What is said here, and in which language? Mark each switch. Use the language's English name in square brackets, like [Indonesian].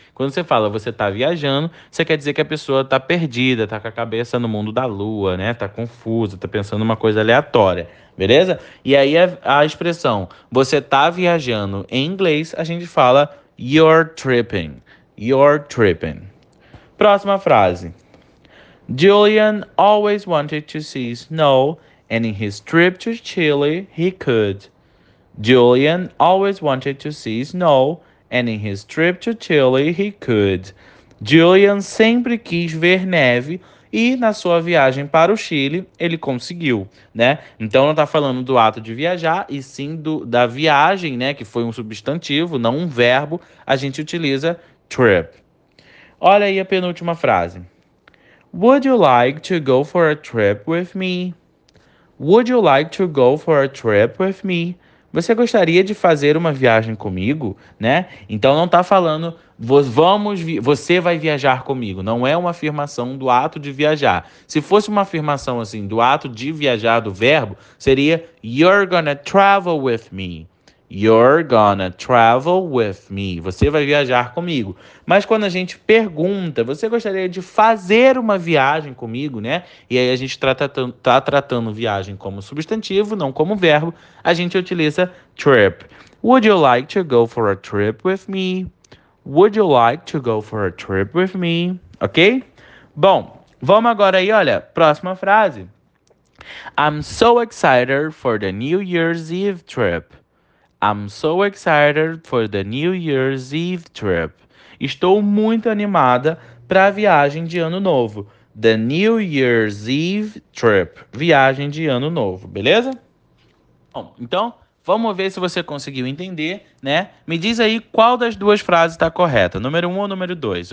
[Portuguese] Quando você fala você está viajando, você quer dizer que a pessoa está perdida, está com a cabeça no mundo da lua, né? Está confusa, está pensando uma coisa aleatória, beleza? E aí, a expressão você está viajando em inglês, a gente fala [English] you're tripping. You're tripping. [Portuguese] Próxima frase. [English] Julian always wanted to see snow, and in his trip to Chile, he could. Julian always wanted to see snow, and in his trip to Chile, he could. [Portuguese] Julian sempre quis ver neve e na sua viagem para o Chile ele conseguiu, né? Então não está falando do ato de viajar e sim da viagem, né? Que foi um substantivo, não um verbo. A gente utiliza trip. Olha aí a penúltima frase. [English] Would you like to go for a trip with me? Would you like to go for a trip with me? [Portuguese] Você gostaria de fazer uma viagem comigo, né? Então não está falando você vai viajar comigo. Não é uma afirmação do ato de viajar. Se fosse uma afirmação assim do ato de viajar do verbo, seria [English] you're gonna travel with me. You're gonna travel with me. [Portuguese] Você vai viajar comigo. Mas quando a gente pergunta, você gostaria de fazer uma viagem comigo, né? E aí a gente tá tratando viagem como substantivo, não como verbo. A gente utiliza trip. [English] Would you like to go for a trip with me? Would you like to go for a trip with me? Ok? [Portuguese] Bom, vamos agora aí, olha, próxima frase. [English] I'm so excited for the New Year's Eve trip. I'm so excited for the New Year's Eve trip. [Portuguese] Estou muito animada para a viagem de ano novo. [English] The New Year's Eve trip. [Portuguese] Viagem de ano novo, beleza? Bom, então, vamos ver se você conseguiu entender, né? Me diz aí qual das duas frases está correta, número 1 ou número 2.